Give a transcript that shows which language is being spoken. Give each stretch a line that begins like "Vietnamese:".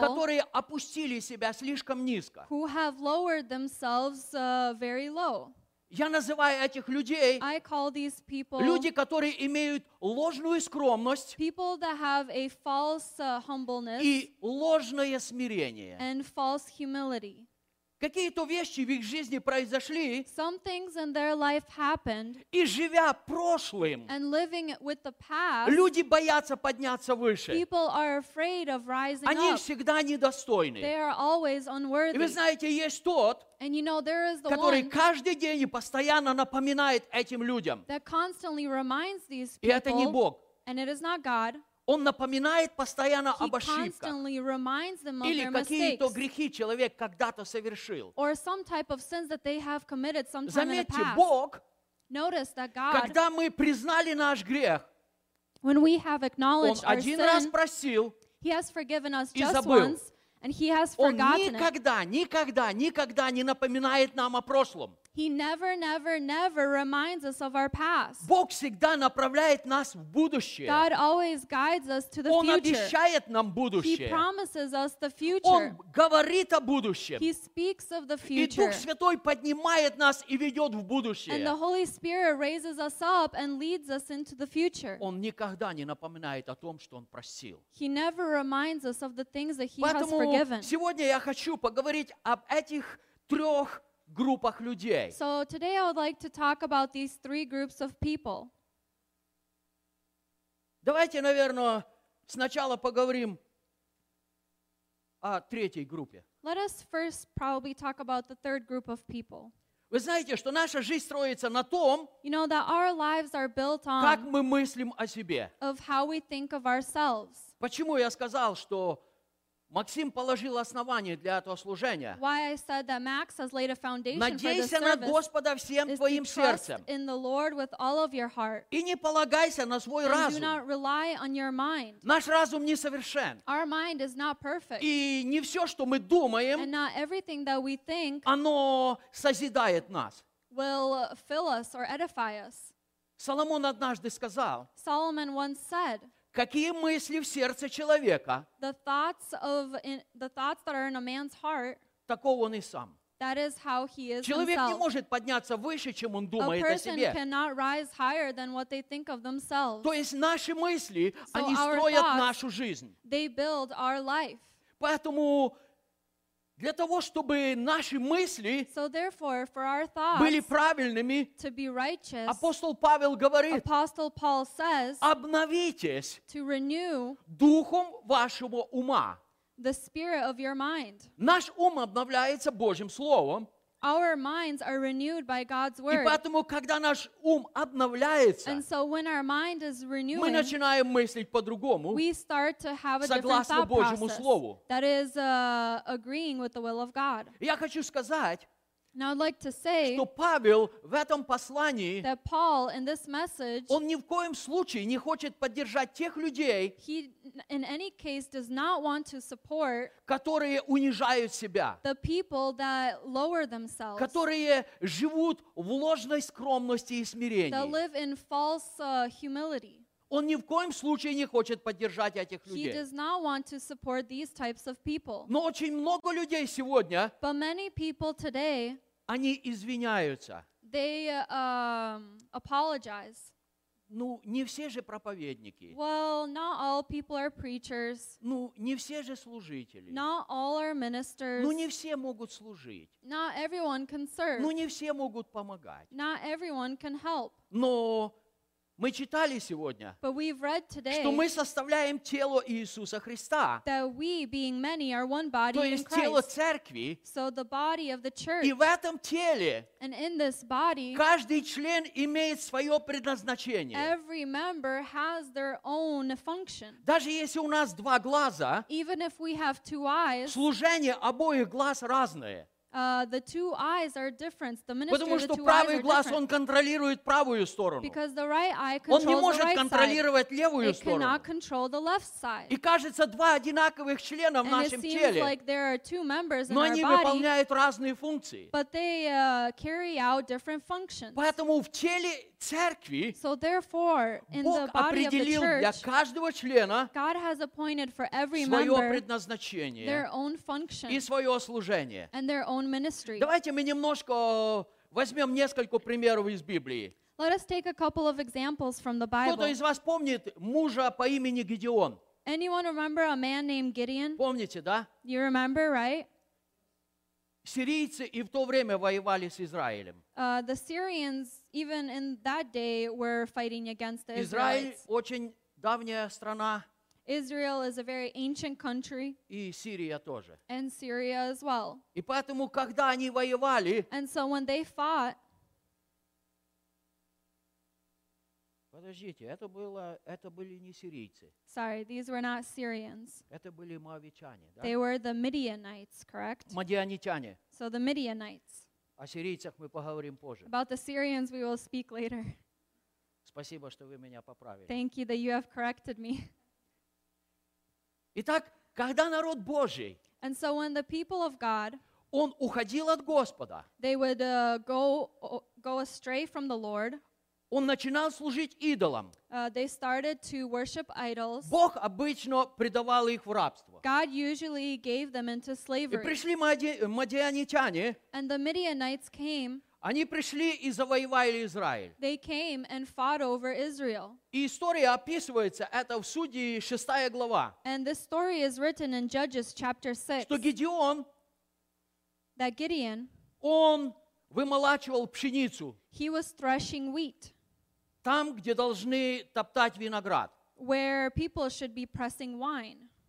Russian: которые опустили себя слишком низко.
English: Who have lowered themselves very low.
Russian: Я называю этих людей,
English: I call these people,
Russian: люди, которые имеют ложную скромность,
English: people that have a false, humbleness,
Russian: и ложное смирение.
English: And false humility.
Russian: Какие-то вещи в их жизни произошли,
English: some things in their life happened,
Russian: и живя прошлым,
English: and living with the past,
Russian: люди боятся подняться выше.
English: People are afraid of rising
Russian: они
English: up.
Russian: Всегда недостойны.
English: They are always unworthy.
Russian: И вы знаете, есть тот,
English: and you know, there is the
Russian: который
English: one
Russian: каждый день и постоянно напоминает этим людям.
English: That constantly reminds these people,
Russian: и это не Бог.
English: And it is not God.
Russian: Он напоминает постоянно
English: he
Russian: об ошибках. Или
English: their
Russian: какие-то
English: mistakes,
Russian: грехи человек когда-то совершил.
English: Or some type of sins that they have committed sometime.
Russian: Заметьте,
English: in the past.
Russian: Бог,
English: notice that God,
Russian: когда мы признали наш грех,
English: when we have acknowledged
Russian: Он один
English: our
Russian: раз
English: sin,
Russian: просил,
English: he has forgiven us
Russian: и
English: just
Russian: забыл.
English: Once, and he has forgotten
Russian: Он никогда,
English: it.
Russian: Никогда, никогда не напоминает нам о прошлом.
English: He never, never, never reminds us of our past.
Russian: Бог всегда направляет нас в будущее.
English: God always guides us to the
Russian: Он
English: future.
Russian: Он обещает нам будущее.
English: He promises us the future.
Russian: Он говорит о будущем.
English: He speaks of the future.
Russian: И Дух Святой поднимает нас и ведет в будущее.
English: And the Holy Spirit raises us up and leads us into the future.
Russian: Он никогда не напоминает о том, что Он просил.
English: He never reminds us of the things that He
Russian: Поэтому
English: has forgiven.
Russian: Сегодня я хочу поговорить об этих трех группах людей.
English: So today I would like to talk about these three groups of people.
Russian: Давайте, наверное, сначала поговорим о третьей группе.
English: Let us first probably talk about the third group of people.
Russian: Вы знаете, что наша жизнь строится на том,
English: you know, that our lives are built on,
Russian: как мы мыслим о себе.
English: Of how we think of ourselves.
Russian: Почему я сказал, что Максим положил основание для этого служения.
English: Why I said that Max has laid a foundation for this service.
Russian: Надейся на Господа всем твоим сердцем.
English: In the Lord with all of your heart.
Russian: И не полагайся на свой разум.
English: And do not rely on your mind.
Russian: Наш разум несовершен.
English: Our mind is not perfect.
Russian: И не все, что мы думаем,
English: and not everything that we think,
Russian: оно созидает нас.
English: Will fill us or edify us.
Russian: Соломон однажды сказал,
English: Solomon once said,
Russian: какие мысли в сердце человека?
English: The thoughts that are in a man's heart.
Russian: Такого он и сам.
English: That is how he is
Russian: человек
English: himself.
Russian: Не может подняться выше, чем он думает о себе.
English: A person cannot rise higher than what they think of themselves.
Russian: То есть наши мысли,
English: so
Russian: они строят
English: thoughts,
Russian: нашу жизнь.
English: They build our life.
Russian: Поэтому для того, чтобы наши мысли
English: so therefore, for our thoughts,
Russian: были правильными,
English: to be righteous,
Russian: апостол Павел говорит,
English: Apostle Paul says,
Russian: обновитесь
English: to renew
Russian: духом вашего ума.
English: The spirit of your mind.
Russian: Наш ум обновляется Божьим словом.
English: Our minds are renewed by God's word.
Russian: И поэтому, когда наш ум обновляется,
English: and so when our mind is renewing,
Russian: мы начинаем мыслить по-другому,
English: we start to have a
Russian: согласно
English: different thought
Russian: Божьему
English: process.
Russian: Слову.
English: That is agreeing with the will of God.
Russian: Я хочу сказать,
English: Now I'd like to say
Russian: что Павел в этом послании,
English: that Paul in this message,
Russian: он ни в коем случае не хочет поддержать тех людей,
English: he in any case does not want to support,
Russian: которые унижают себя,
English: the people that lower themselves,
Russian: которые живут в ложной скромности и смирении,
English: that live in false humility.
Russian: Он ни в коем случае не хочет поддержать этих людей.
English: He does not want to support these types of people.
Russian: Но очень много людей сегодня,
English: but many people today,
Russian: они извиняются.
English: They apologize.
Russian: Ну, не все же проповедники.
English: Well, not all people are preachers.
Russian: Ну, не все же служители.
English: Not all are ministers.
Russian: Ну, не все могут служить.
English: Not everyone can serve.
Russian: Ну, не все могут помогать.
English: Not everyone can help.
Russian: Но мы читали сегодня,
English: but we've read today,
Russian: что мы составляем тело Иисуса Христа,
English: that we, being many, are one body
Russian: то есть тело церкви,
English: so the body of the church,
Russian: и в этом теле
English: and in this body,
Russian: каждый член имеет свое предназначение.
English: Every member has their own function.
Russian: Даже если у нас два глаза,
English: even if we have two eyes,
Russian: служение обоих глаз разное.
English: The two eyes are different. The ministry
Russian: Потому
English: of the two
Russian: правый
English: eyes
Russian: глаз,
English: are different. Because the right eye controls
Russian: Он не может контролировать левую
English: it
Russian: сторону.
English: Cannot control the left side.
Russian: И кажется, два одинаковых члена в
English: and
Russian: нашем
English: it
Russian: теле.
English: Like there are two members
Russian: но
English: in
Russian: они
English: our
Russian: выполняют
English: body,
Russian: разные функции.
English: But they carry out different functions.
Russian: Поэтому в теле церкви
English: so therefore, in
Russian: Бог
English: the body
Russian: определил
English: of the church,
Russian: для каждого члена
English: God has appointed for every
Russian: свое
English: member
Russian: предназначение
English: their own function
Russian: и свое служение.
English: And their own ministry.
Russian: Давайте мы немножко возьмем несколько примеров из Библии.
English: Let us take a couple of examples from the Bible.
Russian: Кто-то из вас помнит мужа по имени Гедеон?
English: Anyone remember a man named Gideon?
Russian: Помните, да?
English: You remember, right?
Russian: Сирийцы и в то время воевали с Израилем.
English: The Syrians, even in that day, were fighting against the
Russian: Израиль
English: Israelites.
Russian: Очень давняя страна.
English: Israel is a very ancient country.
Russian: И Сирия тоже.
English: And Syria as well.
Russian: И поэтому, когда они воевали,
English: and so when they fought,
Russian: подождите, это было, это были не сирийцы.
English: Sorry, these were not Syrians.
Russian: Это были мавитяне, да?
English: They were the Midianites, correct?
Russian: Мадианитяне.
English: So the Midianites.
Russian: О сирийцах мы поговорим позже.
English: About the Syrians we will speak later.
Russian: Спасибо, что вы меня поправили.
English: Thank you that you have corrected me.
Russian: Итак, когда народ Божий,
English: and so when the people of God,
Russian: он уходил от Господа,
English: they would go astray from the Lord,
Russian: он начинал служить идолам.
English: They started to worship idols.
Russian: Бог обычно предавал их в рабство.
English: God usually gave them into slavery.
Russian: И пришли мадианитяне.
English: And the Midianites came.
Russian: Они пришли и завоевали Израиль.
English: They came and fought over Israel.
Russian: И история описывается, это в Судьи 6 глава.
English: And this story is written in Judges chapter 6.
Russian: Что Гедеон,
English: that Gideon,
Russian: он вымолачивал пшеницу.
English: He was threshing wheat.
Russian: Там, где должны топтать виноград.
English: Where people should be pressing wine.